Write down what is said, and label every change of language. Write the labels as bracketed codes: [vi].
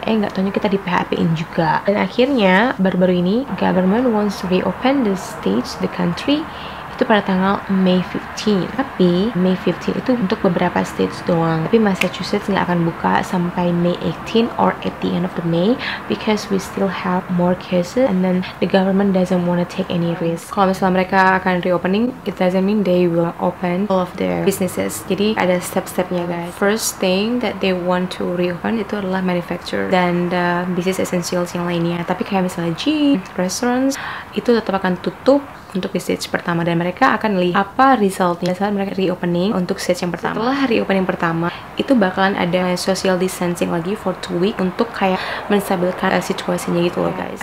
[id] Nggak tahunya kita di PHP-in juga. Dan akhirnya, baru-baru ini, [en] government wants to reopen the state, the country, [id] itu pada tanggal May 15. Tapi, May 15 itu untuk beberapa states doang. Tapi Massachusetts nggak akan buka sampai [en] May 18 or at the end of the May because we still have more cases and then the government doesn't want to take any risk. [id] Kalau misalnya mereka akan [en] reopening, it doesn't mean they will open all of their businesses. [id] Jadi, ada step-stepnya, guys. [en] First thing that they want to reopen [id] itu adalah manufacturer dan business essentials yang lainnya. Tapi kayak misalnya gym, restaurants, itu tetap akan tutup untuk di stage pertama dan mereka akan lihat apa resultnya saat mereka reopening untuk stage yang pertama. Setelah reopening pertama itu bakalan ada social distancing lagi [en] for 2 weeks [id] untuk kayak menstabilkan situasinya gitu loh guys.